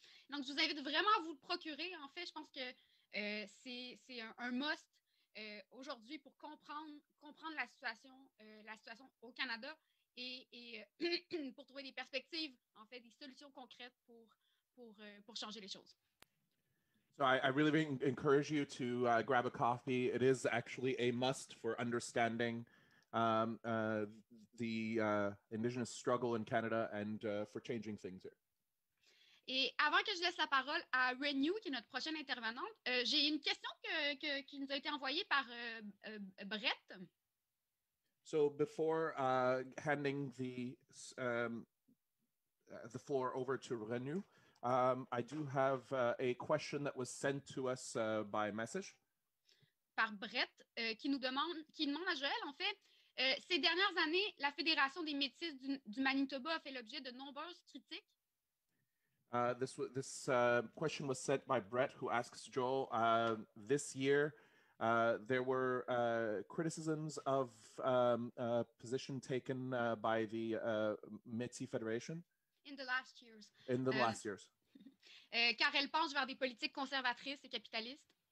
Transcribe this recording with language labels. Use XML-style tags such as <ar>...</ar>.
<fr>Donc, je vous invite vraiment à vous le procurer. En fait, je pense que c'est un must aujourd'hui pour comprendre la situation au Canada. Et pour trouver des perspectives, en fait, des solutions concrètes pour changer les choses.</fr> <en>So I really encourage you to grab a copy. It is actually a must for understanding the Indigenous struggle in Canada and for changing things here.</en> <fr>Et avant que je laisse la parole à Renew, qui est notre prochaine intervenante, j'ai une question qui nous a été envoyée par Brett.</fr> <en>So before handing the floor over to Renew, I do have a question that was sent to us by message.</en> <fr>Par Brett, qui demande à Joël, en fait, ces dernières années, la Fédération des Métis du Manitoba a fait l'objet de nombreuses critiques.</fr> <en>This question was sent by Brett, who asks Joel, this year there were criticisms of a position taken by the Métis Federation. In the last years.</en> <fr>Car elle penche vers des politiques conservatrices et capitalistes.</fr>